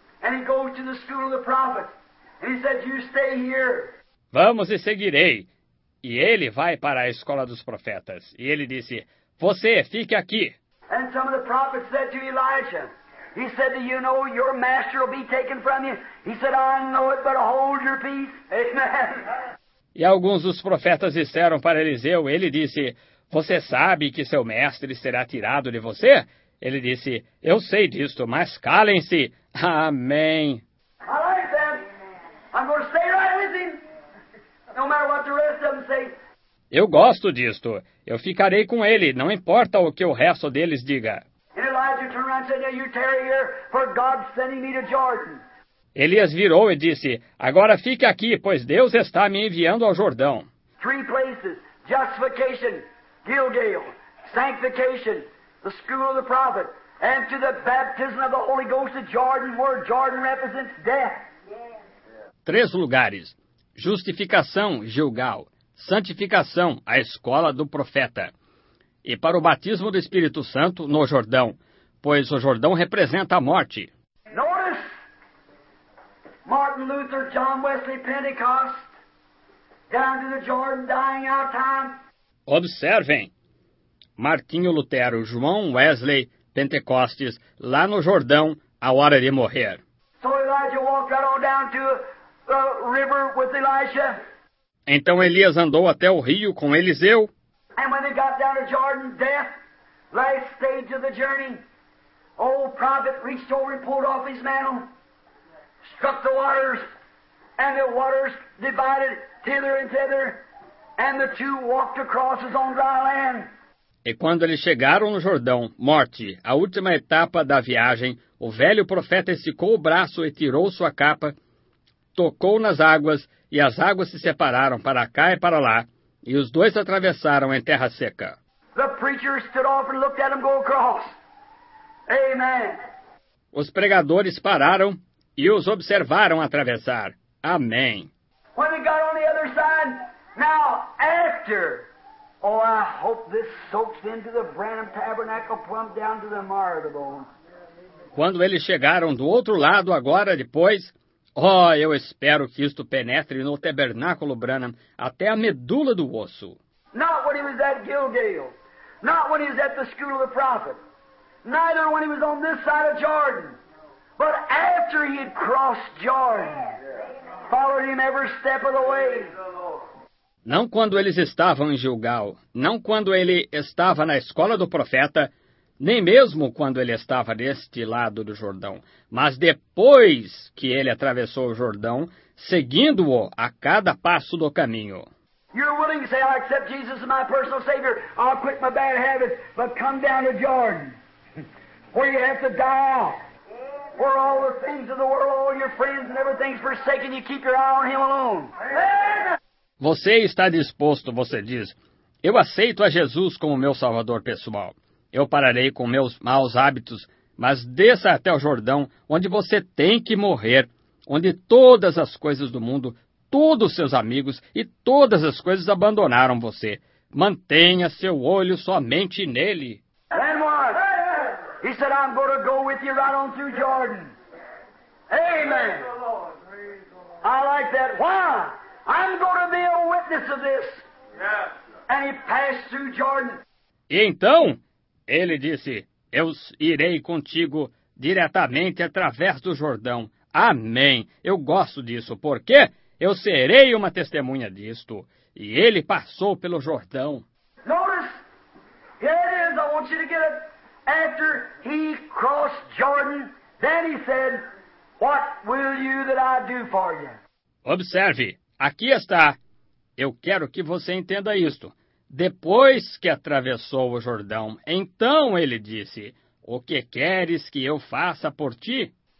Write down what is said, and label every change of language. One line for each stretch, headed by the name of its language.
English: And he goes to the school of the prophets. And he said, you stay here.
Portuguese: Vamos e seguirei. E ele vai para a escola dos profetas. E ele disse, você fique aqui.
English: And some of the prophets said to Elijah, he said, do you know your master will be taken from you? He said, I know it, but hold your peace. Amen.
Portuguese: E alguns dos profetas disseram para Eliseu, ele disse, você sabe que seu mestre será tirado de você? Ele disse, eu sei disto, mas calem-se. Amém.
English: I like that. I'm going to stay right with him. No matter what the rest of them say.
Portuguese: Eu gosto disto. Eu ficarei com ele, não importa o que o resto deles diga.
English: And Elijah turned around and said, you tarry here, for God's sending me to Jordan.
Portuguese: Elias virou e disse, agora fique aqui, pois Deus está me enviando ao Jordão.
English: Three places, justification, Gilgal, sanctification, the school of the prophet, and to the baptism of the Holy Ghost at Jordan, where Jordan represents death. Yeah.
Portuguese: Três lugares, justificação, Gilgal, santificação, a escola do profeta. E para o batismo do Espírito Santo no Jordão, pois o Jordão representa a morte.
English: Notice Martin Luther, John Wesley, Pentecost, down to the Jordan, dying out time.
Portuguese: Observem, Martinho Lutero, João Wesley, Pentecostes, lá no Jordão, a hora de morrer.
English: So Elijah walked right on down to the river with Elijah.
Portuguese: Então Elias andou até o rio com Eliseu.
English: And when they got down to Jordan, death, last stage of the journey, old prophet reached over and pulled off his mantle, struck the waters, and the waters divided hither and thither, and the two walked across as on dry land.
Portuguese: E quando eles chegaram no Jordão, morte, a última etapa da viagem, o velho profeta esticou o braço e tirou sua capa, tocou nas águas, e as águas se separaram para cá e para lá, e os dois atravessaram em terra seca.
English: The preacher stood off and looked at them go across. Amen.
Portuguese: Os pregadores pararam e os observaram atravessar. Amém.
English: When they got on the other side, now after, oh, I hope this soaks into the Branham Tabernacle plumb down to the marrow of the bone.
Portuguese: Quando eles chegaram do outro lado, agora depois, oh, eu espero que isto penetre no tabernáculo Branham até a medula do osso.
English: Not when he was at Gilgal, not when he was at the school of the prophet, neither when he was on this side of Jordan, but after he had crossed Jordan, followed him every step of the way.
Portuguese: Não quando eles estavam em Gilgal, não quando ele estava na escola do profeta, nem mesmo quando ele estava deste lado do Jordão, mas depois que ele atravessou o Jordão, seguindo-o a cada passo do caminho.
English: You're willing to say, I accept Jesus as my personal Savior. I'll quit my bad habits, but come down to Jordan, where you have to die off. Where all the things of the world, all your friends and everything's forsaken, you keep your eye on Him alone.
Portuguese: Você está disposto, você diz, eu aceito a Jesus como meu Salvador pessoal. Eu pararei com meus maus hábitos, mas desça até o Jordão, onde você tem que morrer, onde todas as coisas do mundo, todos os seus amigos e todas as coisas abandonaram você. Mantenha seu olho somente nele.
English: Then what? He said, I'm going to go with you right on through Jordan. Amen. I like that. Why? I'm going to be a witness of this. And he passed through Jordan.
Portuguese: E então, ele disse, eu irei contigo diretamente através do Jordão. Amém. Eu gosto disso. Por quê? Eu serei uma testemunha disto. E ele passou pelo Jordão.
English: Notice. Here it is. I want you to get it. After he crossed Jordan, then he said, what will you that I do for you?
Portuguese: Observe. Aqui está. Eu quero que você entenda isto. Depois que atravessou o Jordão, então ele disse, o que queres que eu faça por ti?